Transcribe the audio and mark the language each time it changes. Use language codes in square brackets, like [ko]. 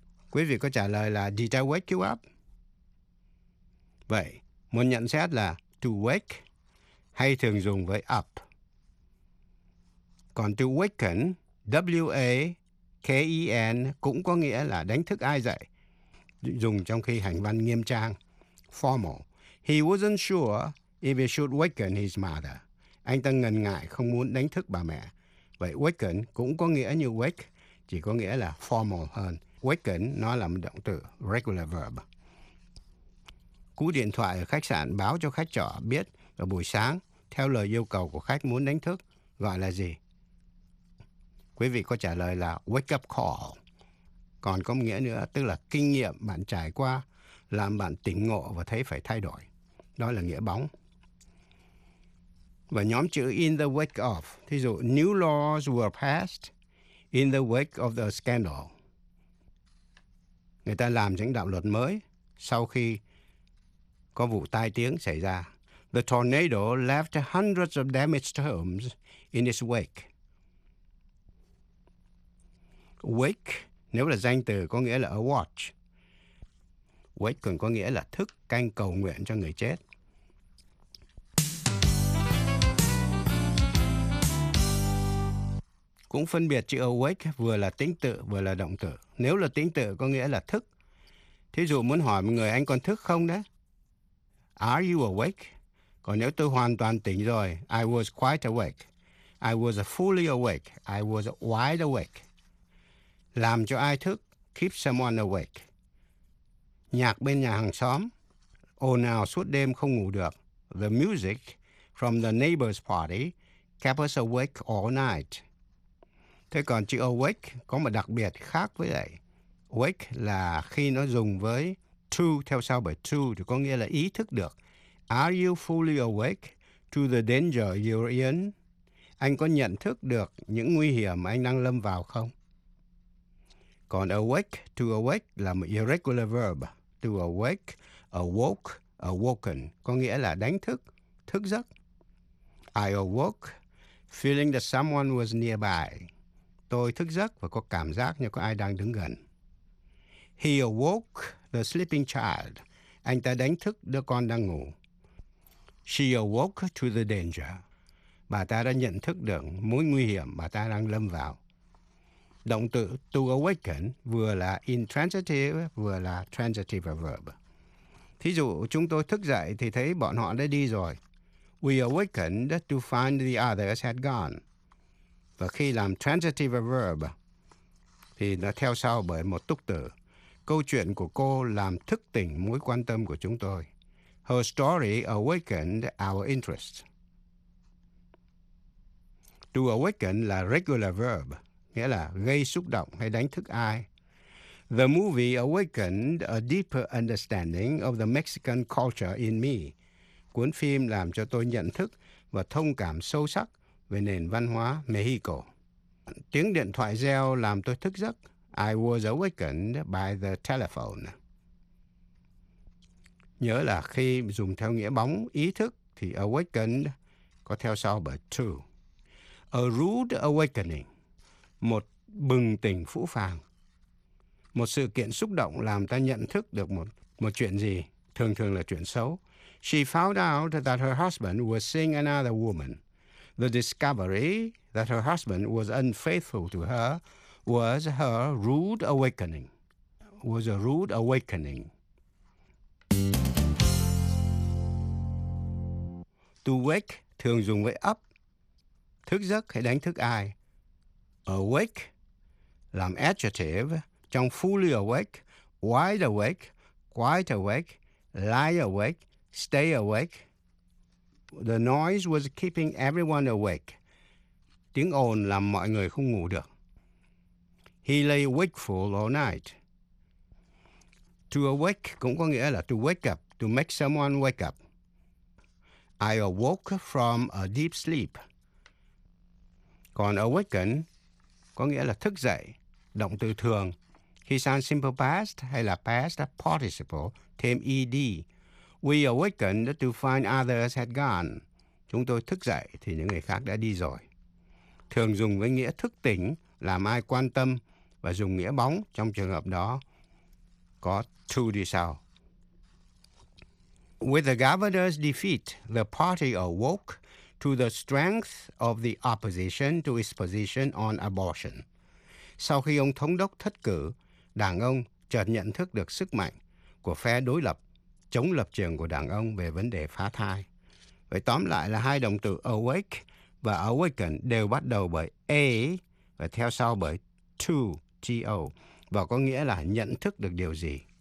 [vi] Quý vị có trả lời là, [en] did I wake you up? [vi] Vậy, một nhận xét là, to wake hay thường dùng với up. Còn to waken, W-A-K-E-N, cũng có nghĩa là đánh thức ai dậy. Dùng trong khi hành văn nghiêm trang, formal. [en] He wasn't sure if he should waken his mother. [vi] Anh ta ngần ngại không muốn đánh thức bà mẹ. Vậy waken cũng có nghĩa như wake, chỉ có nghĩa là formal hơn. Waken nó là một động từ, regular verb. Cú điện thoại ở khách sạn báo cho khách trọ biết vào buổi sáng, theo lời yêu cầu của khách muốn đánh thức, gọi là gì? Quý vị có trả lời là wake up call. Còn có nghĩa nữa, tức là kinh nghiệm bạn trải qua, làm bạn tỉnh ngộ và thấy phải thay đổi. Đó là nghĩa bóng. Và nhóm chữ [en] in the wake of, [vi] thí dụ [en] new laws were passed in the wake of the scandal. [vi] Người ta làm những đạo luật mới sau khi có vụ tai tiếng xảy ra. [en] The tornado left hundreds of damaged homes in its wake. [vi] Wake nếu là danh từ có nghĩa là a watch. Wake còn có nghĩa là thức, canh, cầu nguyện cho người chết. Cũng phân biệt chữ awake vừa là tính tự vừa là động tự. Nếu là tính tự có nghĩa là thức. Thí dụ muốn hỏi một người anh còn thức không đấy? [en] Are you awake? [vi] Còn nếu tôi hoàn toàn tỉnh rồi, [en] I was quite awake. I was fully awake. I was wide awake. [vi] Làm cho ai thức, [en] keep someone awake. [vi] Nhạc bên nhà hàng xóm, ồn ào suốt đêm không ngủ được. [en] The music from the neighbor's party kept us awake all night. [vi] Thế còn chữ awake có một đặc biệt khác với lại. Wake là khi nó dùng với to, theo sau bởi to thì có nghĩa là ý thức được. [en] Are you fully awake to the danger you're in? [vi] Anh có nhận thức được những nguy hiểm mà anh đang lâm vào không? Còn awake, to awake là một irregular verb. To awake, awoke, awoken có nghĩa là đánh thức, thức giấc. [en] I awoke feeling that someone was nearby. [vi] Tôi thức giấc và có cảm giác như có ai đang đứng gần. [en] He awoke the sleeping child. [vi] Anh ta đánh thức đứa con đang ngủ. [en] She awoke to the danger. [vi] Bà ta đã nhận thức được mối nguy hiểm bà ta đang lâm vào. Động từ to awaken vừa là intransitive vừa là transitive verb. Thí dụ chúng tôi thức dậy thì thấy bọn họ đã đi rồi. [en] We awakened to find the others had gone. [vi] Và khi làm transitive verb thì nó theo sau bởi một túc từ. Câu chuyện của cô làm thức tỉnh mối quan tâm của chúng tôi. [en] Her story awakened our interest. [vi] To awaken là regular verb, nghĩa là gây xúc động hay đánh thức ai. [en] The movie awakened a deeper understanding of the Mexican culture in me. [vi] Cuốn phim làm cho tôi nhận thức và thông cảm sâu sắc về nền văn hóa Mexico. Tiếng điện thoại reo làm tôi thức giấc. [en] I was awakened by the telephone. [vi] Nhớ là khi dùng theo nghĩa bóng, ý thức, thì awakened có theo sau bởi to. [en] A rude awakening, [vi] một bừng tỉnh phũ phàng. Một sự kiện xúc động làm ta nhận thức được một chuyện gì, thường thường là chuyện xấu. [en] She found out that her husband was seeing another woman. The discovery that her husband was unfaithful to her was her rude awakening. Was a rude awakening. [vi] To wake thường dùng với up. Thức giấc hay đánh thức ai. Awake làm adjective trong fully awake, wide awake, quite awake, lie awake, stay awake. [en] The noise was keeping everyone awake. [vi] Tiếng ồn làm mọi người không ngủ được. [en] He lay wakeful all night. To awake [vi] cũng có nghĩa là [en] to wake up, to make someone wake up. I awoke from a deep sleep. [vi] Còn awaken có nghĩa là thức dậy, động từ thường. Khi sang simple past hay là past participle, thêm ed. [en] We awakened to find others had gone. [vi] Chúng tôi thức dậy thì những người khác đã đi rồi. Thường dùng với nghĩa thức tỉnh, làm ai quan tâm và dùng nghĩa bóng trong trường hợp đó có to đi sau. [en] With the governor's defeat, the party awoke to the strength of the opposition to its position on abortion. [vi] Sau khi ông thống đốc thất cử, đảng ông chợt nhận thức được sức mạnh của phe đối lập chống lập trường của đảng ông về vấn đề phá thai. Vậy tóm lại là hai động từ awake và awaken đều bắt đầu bởi a và theo sau bởi to, T-O, và có nghĩa là nhận thức được điều gì.